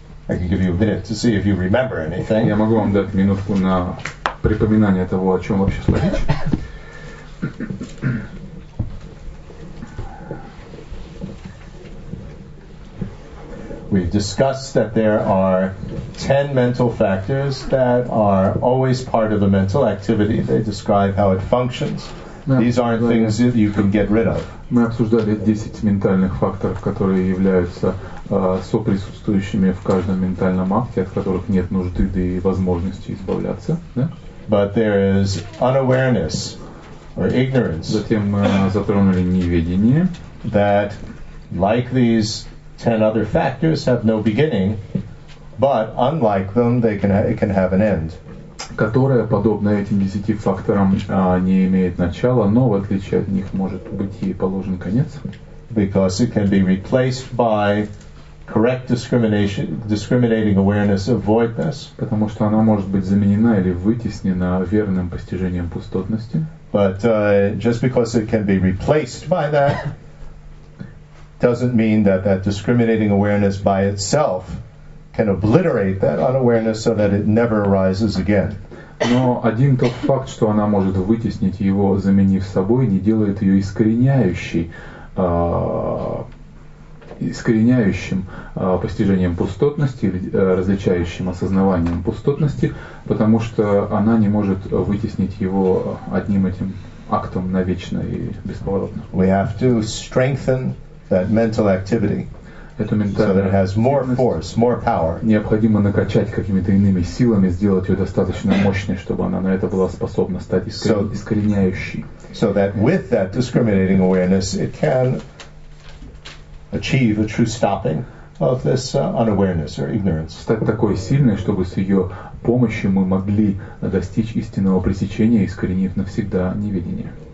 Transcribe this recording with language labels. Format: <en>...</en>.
<en>I can give you a minute to see if you remember anything.</en> <ru>Я могу вам дать минутку на припоминание того, о чем вообще шла речь.</ru> <en>We've discussed that there are 10 mental factors that are always part of the mental activity. They describe how it functions. These aren't things that you can get rid of.</en> <ru>Мы обсуждали 10 ментальных факторов, которые являются соприсутствующими в каждом ментальном акте, от которых нет нужды да и возможности избавляться. Да?</ru> <en>But there is unawareness or ignorance.</en> <ru>Затем мы затронули неведение.</ru> <en>That, like these 10 other factors, have no beginning, but unlike them, they can it can have an end.</en> <ru>Которая, подобно этим 10 факторам, не имеет начала, но в отличие от них может быть ей положен конец.</ru> <en>Because it can be replaced by correct discriminating awareness of voidness.</en> <ru>Потому что она может быть заменена или вытеснена верным постижением пустотности.</ru> <en>But just because it can be replaced by that doesn't mean that that discriminating awareness by itself can obliterate that unawareness so that it never arises again.</en> <ru>Но один тот факт, что она может вытеснить его, заменив собой, не делает ее искореняющим постижением пустотности, различающим осознаванием пустотности, потому что она не может вытеснить его одним этим актом навечно и бесповоротно.</ru> <en>We have to strengthen that mental activity.</en> <ru>Эту ментальную</ru> <en>so that it has more force, more power.</en> <ru>Необходимо накачать какими-то иными силами, сделать ее достаточно мощной, чтобы она на это была способна стать искореняющей.</ru> <en>So that with that discriminating awareness, it can achieve a true stopping. of this unawareness or ignorance.</en> <ru>Стать такой сильной, чтобы с ее помощью мы могли достичь истинного пресечения, искоренив навсегда неведение.</ru>